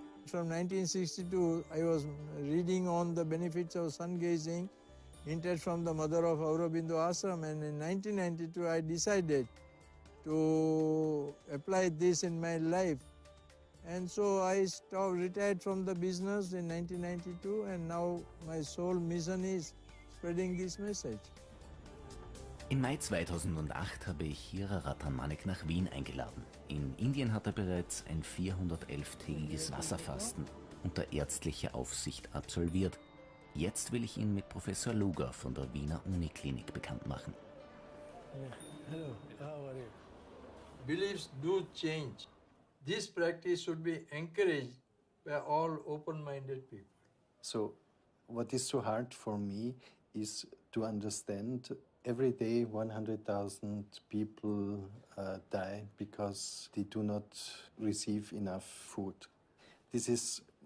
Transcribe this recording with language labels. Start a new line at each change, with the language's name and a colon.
English: From 1962, I was reading on the benefits of sun gazing, hinted from the mother of Aurobindo Ashram, and in 1992, I decided to apply this in my life. And so I retired from the business in 1992, and now my sole mission is spreading this message.
German: Im Mai 2008 habe ich Hira Ratan Manik nach Wien eingeladen. In Indien hat er bereits ein 411-tägiges Wasserfasten unter ärztlicher Aufsicht absolviert. Jetzt will ich ihn mit Professor Luger von der Wiener Uniklinik bekannt machen.
English: Hallo, how are you? Beliefs do change. This practice should be encouraged by all open-minded people. So, what is so hard for me is to understand every day 100,000 people die because they do not receive enough food. This is